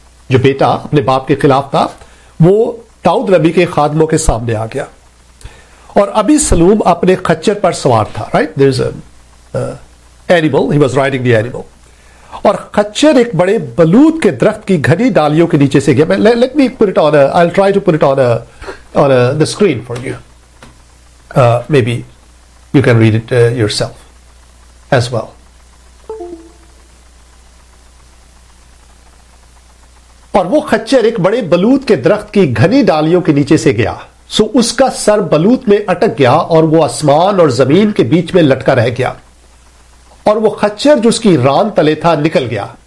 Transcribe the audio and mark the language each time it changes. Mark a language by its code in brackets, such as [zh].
[ur] جو بیٹا اپنے باپ کے خلاف تھا وہ داؤد نبی کے خادموں کے سامنے آ گیا, اور ابی سلوم اپنے خچر پر سوار تھا. [en] Right, there is an animal, he was riding the animal. [ur] اور خچر ایک بڑے بلوط کے درخت کی گھنی ڈالیوں کے نیچے سے گیا. [en] Let me put it on a, I'll try to put it on the screen for you. Maybe you can read it yourself as well. [ur] اور وہ خچر ایک بڑے بلوط کے درخت کی گھنی ڈالیوں کے نیچے سے گیا. سو اس کا سر بلوط میں اٹک گیا اور وہ آسمان اور زمین کے بیچ میں لٹکا رہ گیا, اور وہ خچر جو اس کی ران تلے تھا نکل گیا.